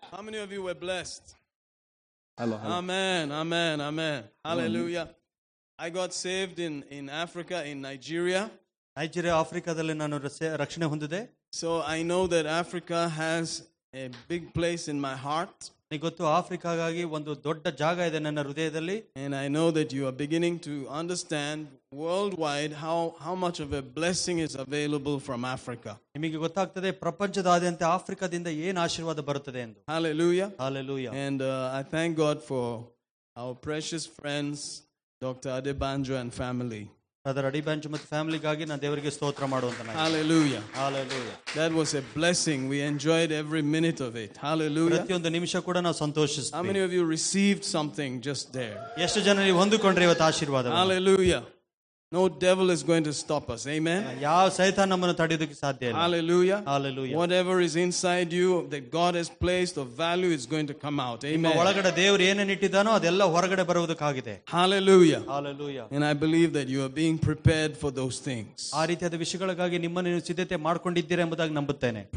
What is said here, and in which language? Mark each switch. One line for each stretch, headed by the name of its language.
English: How many of you were blessed? Hello. Amen. Amen. Amen. Hallelujah. Hallelujah. I got saved in Africa, in Nigeria.
Kannada: Nigeria, Africa, dalli nanu rakshane hondide.
English: So I know that Africa has a big place in my heart.
Kannada: ನಿಗೊತ್ತು ಆಫ್ರಿಕಾಗಾಗಿ ಒಂದು ದೊಡ್ಡ ಜಾಗ ಇದೆ ನನ್ನ ಹೃದಯದಲ್ಲಿ.
English: And I know that you are beginning to understand world wide how much of a blessing is available from Africa.
Kannada: ನಿಮಗೆ ಗೊತ್ತಾಗ್ತದೆ ಪ್ರಪಂಚದಾದ್ಯಂತ ಆಫ್ರಿಕಾದಿಂದ ಏನು ಆಶೀರ್ವಾದ ಬರುತ್ತದೆ ಎಂದು. Hallelujah. Hallelujah.
English: And I thank God for our precious friends doctor Adebanjo and family.
Kannada: ಅದರ ಅಡಿಬಾಂಜು ಮತ್ತು ಫ್ಯಾಮಿಲಿಗಾಗಿ ನಾನು ದೇವರಿಗೆ ಸ್ತೋತ್ರ ಮಾಡುವಂತ. Hallelujah. Hallelujah.
English: That was a blessing. We enjoyed every minute of it. Hallelujah.
Kannada: ಪ್ರತಿಯೊಂದು ನಿಮಿಷ ಕೂಡ ನಾವು ಸಂತೋಷಿಸಿದ್ವಿ.
English: How many of you received something just there?
Kannada: ಎಷ್ಟು ಜನ ನೀವು ಹೊಂದಿಕೊಂಡ್ರೆ ಇವತ್ತು ಆಶೀರ್ವಾದ.
English: Hallelujah. No devil is going to stop us. Amen.
Kannada: ಯಾವ ಸೈತಾನ ನಮ್ಮನ್ನು ತಡೆಯೋದಕ್ಕೆ ಸಾಧ್ಯ ಇಲ್ಲ. Hallelujah. Hallelujah.
English: Whatever is inside you that God has placed of value is going to come out. Amen.
Kannada: ಒಳಗಡೆ ದೇವರು ಏನೇನು ಇಟ್ಟಿದ್ದಾನೋ ಅದೆಲ್ಲ ಹೊರಗಡೆ ಬರುವುದಕ್ಕಾಗಿದೆ. Hallelujah. Hallelujah.
English: And I believe that you are being prepared for those things.
Kannada: ಆ ರೀತಿಯಾದ ವಿಷಯಗಳಿಗಾಗಿ ನಿಮ್ಮನ್ನು ಸಿದ್ಧತೆ ಮಾಡಿಕೊಂಡಿದ್ದೀರಾ ಎಂಬುದಾಗಿ ನಂಬುತ್ತೇನೆ.